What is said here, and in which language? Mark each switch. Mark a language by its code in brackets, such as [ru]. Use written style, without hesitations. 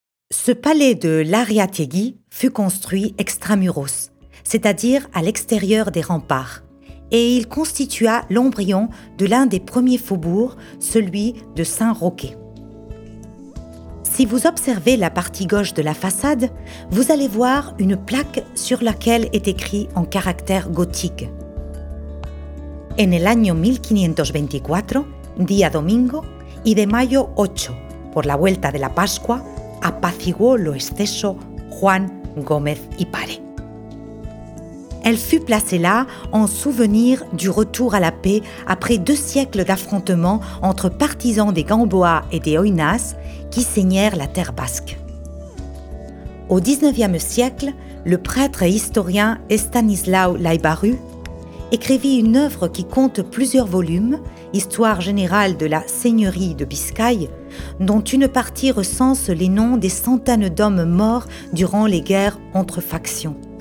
[fr] Ce palais de Lariategui fut construit extramuros, c'est-à-dire à l'extérieur des remparts, et il constitua l'embryon de l'un des premiers faubourgs, celui de Saint-Roquet. Si vous observez la partie gauche de la façade, vous allez voir une plaque sur laquelle est écrit en caractère gothique. [es] En el año 1524, día domingo, y de mayo 8, por la vuelta de la Pascua, apaciguó lo exceso Juan Gómez y Pare. [fr] Elle fut placée là en souvenir du retour à la paix après deux siècles d'affrontements entre partisans des Gamboa et des Oinas qui saignèrent la terre basque. Au XIXe siècle, le prêtre et historien Estanislao Laibarru écrivit une œuvre qui compte plusieurs volumes, Histoire générale de la seigneurie de Biscaye, dont une partie recense les noms des centaines d'hommes morts durant les guerres entre factions.